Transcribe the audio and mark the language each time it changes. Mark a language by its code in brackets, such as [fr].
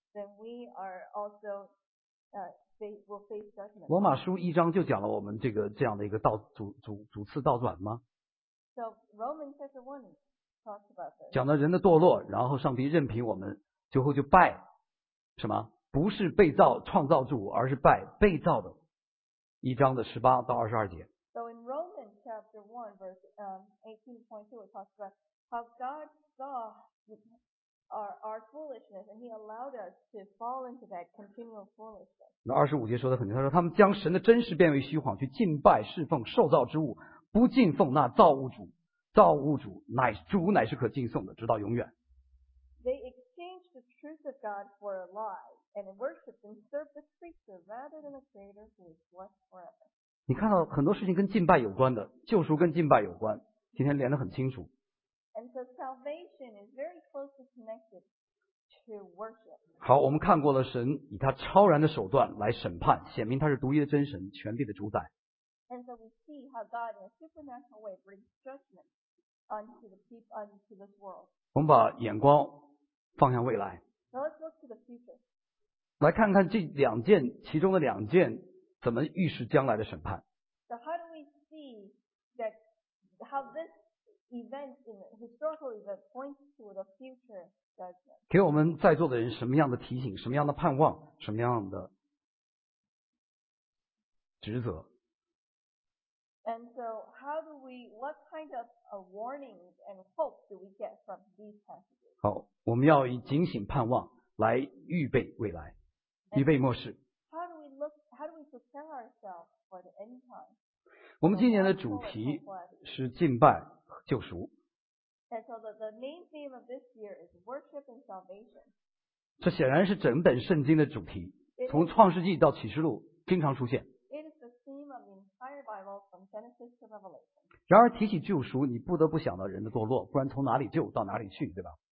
[en] then we are also will face judgment. [zh] 罗马书一章就讲了我们这个这样的一个倒主次倒转吗？ [en] So Romans chapter 1 talks about this. [zh] 讲到人的堕落，然后上帝任凭我们最后就拜什么？不是被造创造主，而是拜被造的。一章的十八到二十二节。 [en] So in Romans chapter 1 verse 18.2 it talks about how God saw our foolishness and he allowed us to fall into that continual foolishness. [zh] 那二十五节说的很清楚，他说他们将神的真实变为虚谎，去敬拜侍奉受造之物，不敬奉那造物主，造物主乃主乃是可敬颂的，直到永远。 [en] They exchanged the truth of God for a lie and worshiped and served the creature rather than the creator who is blessed forever. [zh] 你看到很多事情跟敬拜有关的，救赎跟敬拜有关，今天连得很清楚。 [en] And so salvation is very closely connected to worship. [zh] 好，我们看过了神以他超然的手段来审判，显明他是独一的真神，全地的主宰。 [en] And so we see how God in a supernatural way brings judgment unto the people, unto this world. [zh] 我们把眼光放向未来。 [en] So let's look to the future. [zh] 来看看这两件，其中的两件怎么预示将来的审判。 [en] So how do we see that how this event in the historical event points to the future judgment? [zh] 给我们在座的人什么样的提醒，什么样的盼望，什么样的职责？ [en] And so how do we, what kind of a warnings and hope do we get from these passages? [zh] 好，我们要以警醒盼望来预备未来，预备末世。 [en] How do we look, how do we prepare ourselves for the end time? [zh] 我们今年的主题是敬拜救赎。 [en] And so the main theme of this year is worship and salvation. [zh] 这显然是整本圣经的主题，从创世纪到启示录经常出现。 [en] It is the theme of the entire Bible from Genesis to Revelation. [zh] 然而提起救赎，你不得不想到人的堕落，不然从哪里救到哪里去，对吧？